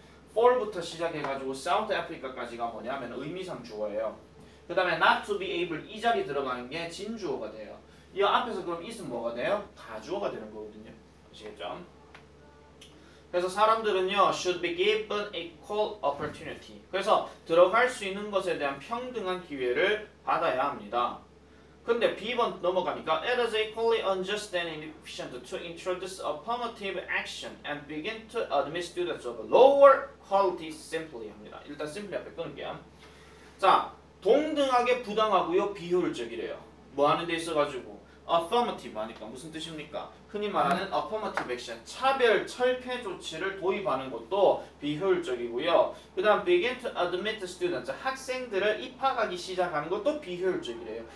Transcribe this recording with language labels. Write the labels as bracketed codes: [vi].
[ko] For부터 시작해가지고 South Africa까지가 뭐냐면 의미상 주어예요. 그 다음에 [en] not to be able [ko] 이 자리 들어가는 게 진주어가 돼요. 이 앞에서 그럼 is 뭐가 돼요? 가주어가 되는 거거든요. 아시겠죠? 그래서 사람들은요 [en] should be given equal opportunity. [ko] 그래서 들어갈 수 있는 것에 대한 평등한 기회를 받아야 합니다. 근데 B번 넘어가니까 [en] It is equally unjust and inefficient to introduce affirmative action and begin to admit students of lower quality simply [ko] 합니다. 일단 simply 앞에 끊을게요. 자, 동등하게 부당하고요 비효율적이래요. 뭐 하는 데 있어가지고 affirmative 하니까 무슨 뜻입니까? 흔히 말하는 affirmative action, 차별 철폐 조치를 도입하는 것도 비효율적이고요. 그 다음 [en] begin to admit students, [ko] 학생들을 입학하기 시작하는 것도 비효율적이래요.